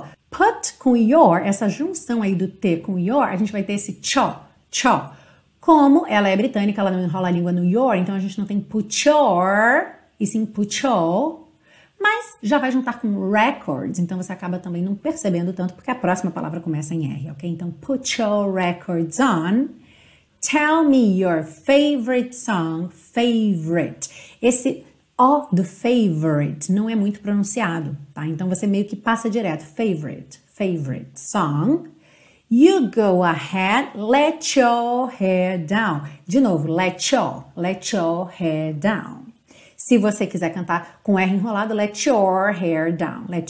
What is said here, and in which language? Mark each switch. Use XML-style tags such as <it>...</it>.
<pt>Put com your, essa junção aí do T com your, a gente vai ter esse cho. Como ela é britânica, ela não enrola a língua no your, então a gente não tem</pt> <en>put your,</en> <pt>e sim put your, mas já vai juntar com records, então você acaba também não percebendo tanto, porque a próxima palavra começa em R, ok?</pt> <en>Então, put your records on. Tell me your favorite song, favorite.</en> <pt>Esse O do favorite não é muito pronunciado, tá? Então, você meio que passa direto,</pt> <en>favorite song. You go ahead, let your hair down.</en> <pt>De novo,</pt> <en>let your hair down.</en> <pt>Se você quiser cantar com R enrolado,</pt> <en>let your hair down.</en>